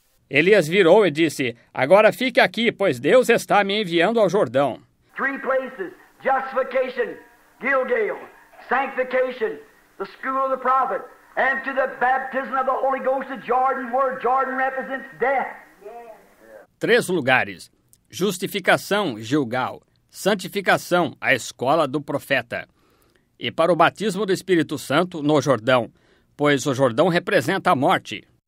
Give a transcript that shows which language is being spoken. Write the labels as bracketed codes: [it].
[pt] Elias virou e disse, agora fique aqui, pois Deus está me enviando ao Jordão. Três lugares, justificação, Gilgal, sanctification. [en] The school of the prophet, and to the baptism of the Holy Ghost at Jordan, where Jordan represents death. [pt] Três lugares: justificação, Gilgal; santificação, a escola do profeta; e para o batismo do Espírito Santo no Jordão, pois o Jordão representa a morte.